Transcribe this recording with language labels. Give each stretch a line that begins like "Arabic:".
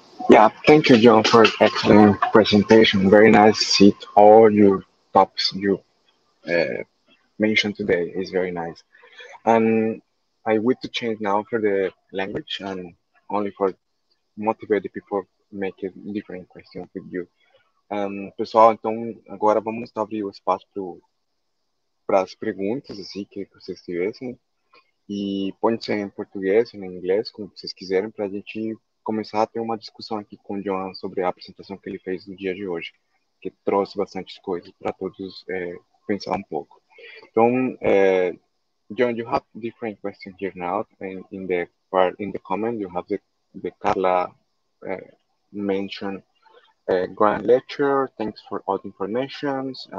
English: Yeah, thank you, John, for an excellent presentation. Very nice to see all your topics you mentioned today. It's very nice. And I would to change now for the language and only for motivated people make a different question with you.
Portuguese: Pessoal, então agora vamos abrir o espaço para as perguntas assim, que vocês tivessem. E pode ser em português ou em inglês, como vocês quiserem, para a gente começar a ter uma discussão aqui com o John sobre a apresentação que ele fez no dia de hoje, que trouxe bastantes coisas para todos pensar um pouco.
English: Então, John, you have different questions here now. In the comment, you have the Carla mentioned a grand lecture. Thanks for all the information.